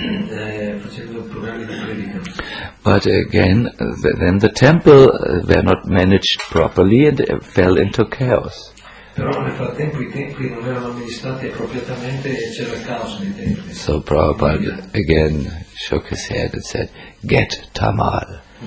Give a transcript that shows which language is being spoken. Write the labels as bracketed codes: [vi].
[en] But again, then the temple were not managed properly and fell into chaos. [it] Però nel frattempo i templi non erano amministrati appropriatamente e c'era il caos nei templi. [en] So Prabhupada again shook his head and said, "Get Tamal."